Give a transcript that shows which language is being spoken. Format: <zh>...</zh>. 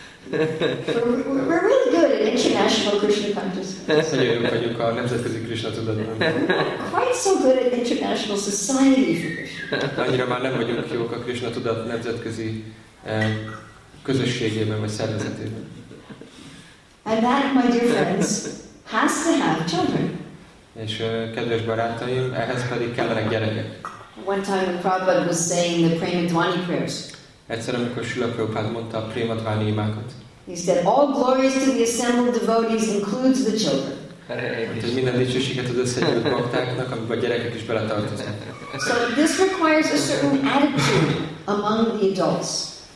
<en>We're really good at international Krishna consciousness.</en> <hu>Nagyon jó vagyunk a nemzetközi Krishna tudatban.</hu> <en>Quite so good at international society for Krishna.</en> <hu>Annyira már nem vagyunk jók a Krishna tudat nemzetközi közösségében vagy szervezetében.</hu> <en>And that, my dear friends, has to have children.</en> <hu>És kedves barátaim, ehhez pedig kellenek gyerekek.</hu> <en>One time the Prabhupada was saying the Prema Dvani prayers.</en> <hu>Egyszer, amikor Srila Prabhupada mondta a Prema Dvani imákat.</hu> <en>He said, all glories to the assembled devotees includes the children.</en> <hu>Hát, minden dicsőséget az összegyűlt baktáknak, amiben a gyerekek is beletartoznak.</hu> <en>So this requires a certain attitude among the adults.</en>